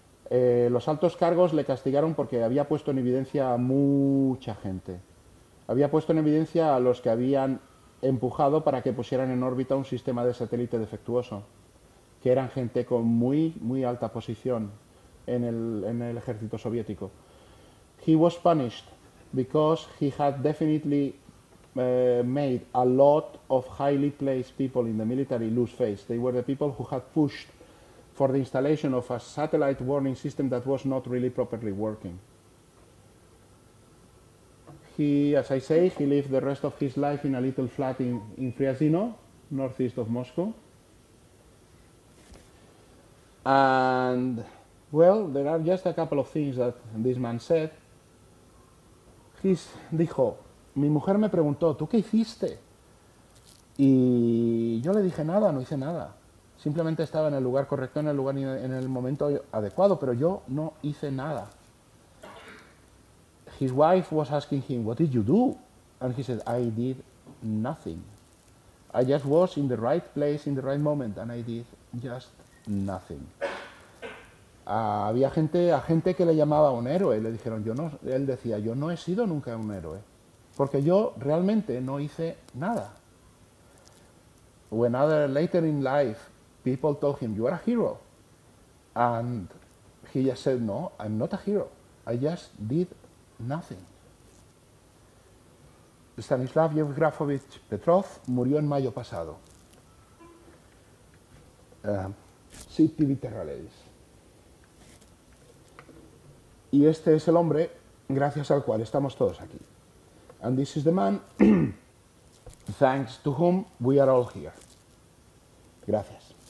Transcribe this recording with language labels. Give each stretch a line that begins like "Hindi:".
Spanish: Los altos cargos le castigaron porque había puesto en evidencia a mucha gente. Había puesto en evidencia a los que habían empujado para que pusieran en órbita un sistema de satélite defectuoso, que eran gente con muy, muy alta posición en el ejército soviético.
English: He was punished because he had definitely made a lot of highly placed people in the military lose face. They were the people who had pushed for the installation of a satellite warning system that was not really properly working. He, as I say, he lived the rest of his life in a little flat in Fryazino, northeast of Moscow. And, well, there are just a couple of things that this man said.
Spanish: Dijo, mi mujer me preguntó, ¿tú qué hiciste? Y yo le dije nada, no hice nada. Simplemente estaba en el lugar correcto, en el lugar y en el momento adecuado, pero yo no hice nada.
English: His wife was asking him, what did you do? And he said, I did nothing. I just was in the right place in the right moment and I did just nothing.
Spanish: Había gente, a gente que le llamaba un héroe, le dijeron, yo no, él decía, yo no he sido nunca un héroe, porque yo realmente no hice nada.
English: When other later in life people told him, you are a hero. And he just said, no, I'm not a hero. I just did nothing.
Spanish: Stanislav Yevgrafovich Petrov murió en mayo pasado. Sit Tivitarales. Y este es el hombre gracias al cual estamos todos aquí.
English: And this is the man thanks to whom we are all here.
Spanish: Gracias.